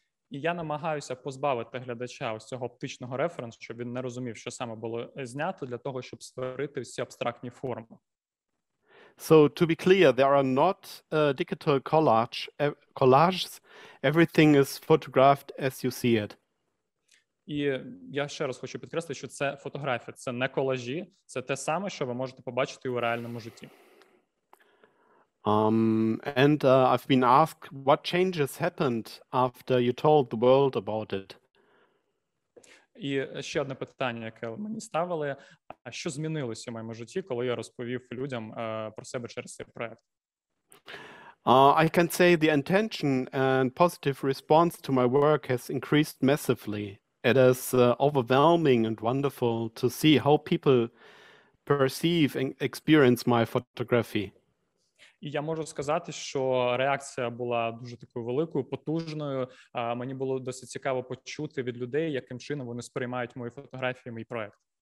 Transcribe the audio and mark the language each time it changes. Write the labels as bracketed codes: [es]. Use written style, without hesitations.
[uk] І я намагаюся позбавити глядача ось цього оптичного референсу, щоб він не розумів, що саме було знято, для того, щоб створити всі абстрактні форми. [en] So, to be clear, there are not digital collages. Everything is photographed as you see it. [uk] І я ще раз хочу підкреслити, що це фотографія, це не колажі, це те саме, що ви можете побачити у реальному житті. [en] I've been asked what changes happened after you told the world about it. [uk] І ще одне питання, яке мені ставили, а що змінилося в моєму житті, коли я розповів людям про себе через цей проект? [en] I can say the intention and positive response to my work has increased massively. It is overwhelming and wonderful to see how people perceive and experience my photography. [uk] І я можу сказати, що реакція була дуже такою великою, потужною. Мені було досить цікаво почути від людей, яким чином вони сприймають мої фотографії, мій проект.